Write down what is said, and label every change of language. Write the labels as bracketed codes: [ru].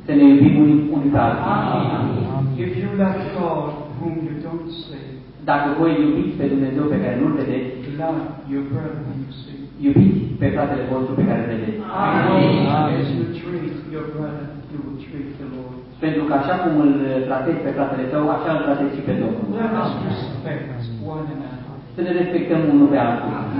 [ro] Să ne iubim unii pe alții. [en] If you love God whom you don't see. [ro] Dacă voi iubiți pe Dumnezeu pe care nu-l vedeți. [en] Love your brother whom you see. [ro] Iubiți pe fratele vostru pe care îl vedeți. Amen. [en] As you treat your brother, you will treat the Lord. [ro] Pentru că așa cum îl tratezi pe fratele tău, așa îl tratezi și pe Domnul. [en] Let us respect one another. [ro] Să ne respectăm unul pe altul.